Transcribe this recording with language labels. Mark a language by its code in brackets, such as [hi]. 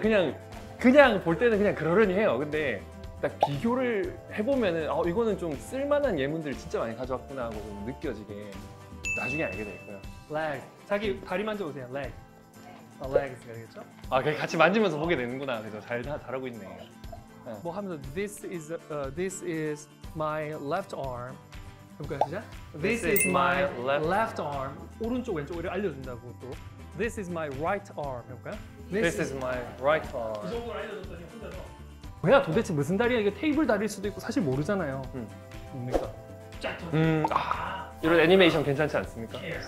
[ko] 그냥 볼 때는 그냥 그러려니 해요. 근데 딱 비교를 해보면은 이거는 좀 쓸만한 예문들을 진짜 많이 가져왔구나 하고 좀 느껴지게 나중에 알게 될 거예요. Leg. 자기 다리 만져보세요. Leg. Leg이 되겠죠? 아, 같이 만지면서 보게 되는구나. 그죠? 잘 자라고 있네. 네. 뭐 하면서 [en] This is my left arm. [ko] 그럼 가시죠. [en] This is my left arm. [ko] 오른쪽 왼쪽 이렇게 알려준다고 또. [en] This is my right arm. [ko] 해볼까요? [en] This is my right arm. [ko] 이 정도 알려줬더니 혼자서. 뭐야 도대체 무슨 다리야? 이게 테이블 다리일 수도 있고 사실 모르잖아요. 뭡니까? 이런 애니메이션 괜찮지 않습니까?